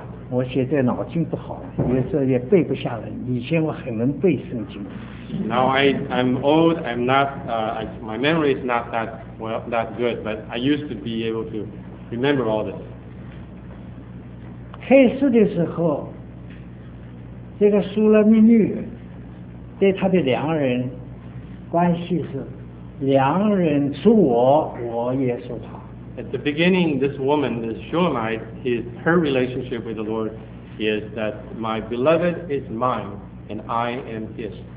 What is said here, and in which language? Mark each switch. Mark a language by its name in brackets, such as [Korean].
[Chinese] 我现在脑筋不好，有时候也背不下来。以前我很能背圣经。 [English] Now I'm old. I'm not. My memory is not that well, that good. But I used to be able to remember all this. [Chinese] 开始的时候，这个苏拉密女对他的良人关系是：良人属我，我也属他。 [English] At the beginning, this woman, this Shulamite, her relationship with the Lord is that my beloved is mine and I am his.